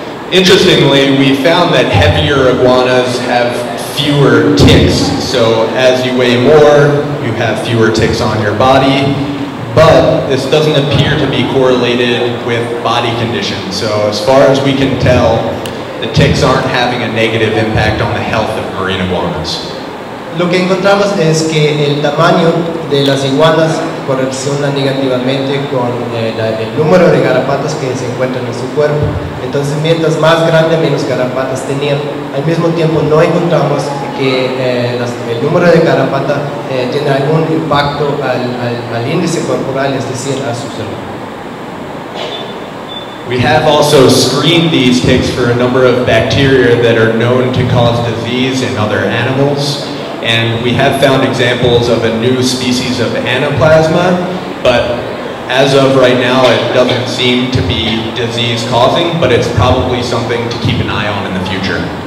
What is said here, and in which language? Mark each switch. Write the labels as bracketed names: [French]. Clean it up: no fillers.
[English] Interestingly, we found that heavier iguanas have fewer ticks, so as you weigh more, you have fewer ticks on your body, but this doesn't appear to be correlated with body condition. So as far as we can tell, the ticks aren't having a negative impact on the health of marine iguanas. [Spanish] Lo que encontramos es que el tamaño de las iguanas correlaciona negativamente con el número de garrapatas que se encuentran en su cuerpo. Entonces, mientras más grande, menos garrapatas tenían. Al mismo tiempo, no encontramos que el número de garrapatas tiene algún impacto al índice corporal, es decir, a su salud. [English] We have also screened these ticks for a number of bacteria that are known to cause disease in other animals. And we have found examples of a new species of anaplasma, but as of right now, it doesn't seem to be disease-causing, but it's probably something to keep an eye on in the future.